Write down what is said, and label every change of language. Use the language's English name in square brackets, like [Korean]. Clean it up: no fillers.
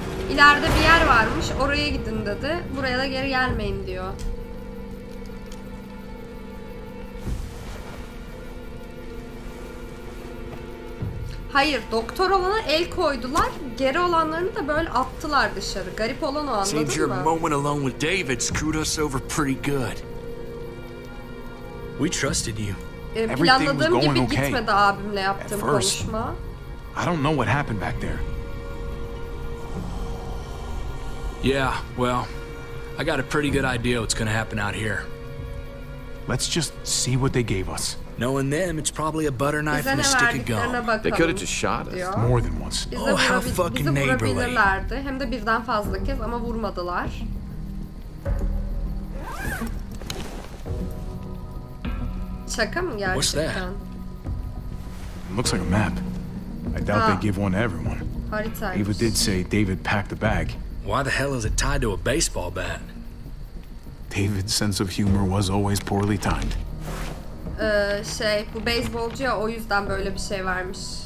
[Turkish] İleride bir yer varmış, oraya gidin dedi. Buraya da geri gelmeyin diyor. Hayır, doktor olana el koydular, geri olanlarını da böyle attılar dışarı. Garip olan o, anladın mı? [English] Seems your moment alone with David screwed us over pretty good. We trusted you. [Turkish] Planladığım gibi gitmedi abimle yaptığım konuşma. [English] I don't know what happened back there. Yeah, well, I got a pretty good idea what's gonna happen out here. Let's just see what they gave us. Knowing them, it's probably a butter knife and a stick of gum. They could have just shot us more than once. Oh, how fucking neighborly. [Turkish] Hem de birden fazla kez ama vurmadılar. Şaka mı gerçekten? [English] What's that? It looks like a map. I doubt they give one to everyone. [Turkish] Haritaymış. [English] Eva did say David packed the bag. Why the hell is it tied to a baseball bat? David's sense of humor was always poorly timed. [Turkish] Şey, bu beyzbolcu ya, o yüzden böyle bir şey varmış.